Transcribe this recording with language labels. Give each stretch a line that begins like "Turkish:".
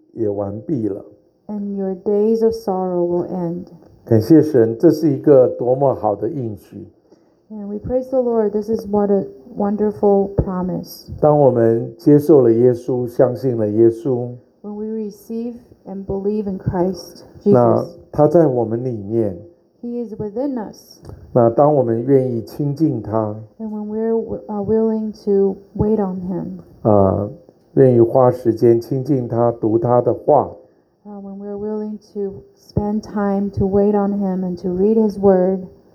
English: And your days of sorrow will end.
Chinese: 感谢神, 这是一个多么好的应许。
English: And we praise the Lord, this is what a wonderful promise.
Chinese: 当我们接受了耶稣, 相信了耶稣,
English: When we receive and believe in Christ Jesus,
Chinese: 那他在我们里面,
English: He is within us.
Chinese: 那当我们愿意亲近他,
English: And when we are willing to wait on Him,
Chinese: 愿意花时间亲近他, 读他的话,
English: when we are willing to spend time to wait on Him and to read His Word,